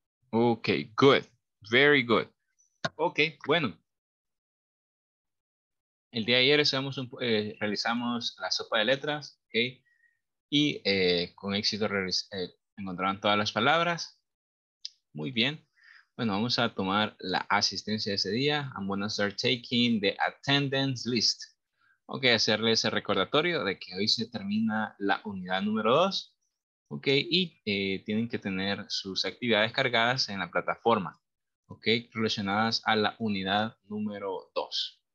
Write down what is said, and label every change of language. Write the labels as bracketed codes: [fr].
[en] Okay, good. Very good. Okay, bueno. [es] El día de ayer realizamos la sopa de letras, okay? Y con éxito encontraron todas las palabras. Muy bien. Bueno, vamos a tomar la asistencia de ese día. [en] I'm going to start taking the attendance list. [es] Okay, hacerles el recordatorio de que hoy se termina la unidad número 2. Ok, y tienen que tener sus actividades cargadas en la plataforma, ok, relacionadas a la unidad número 2.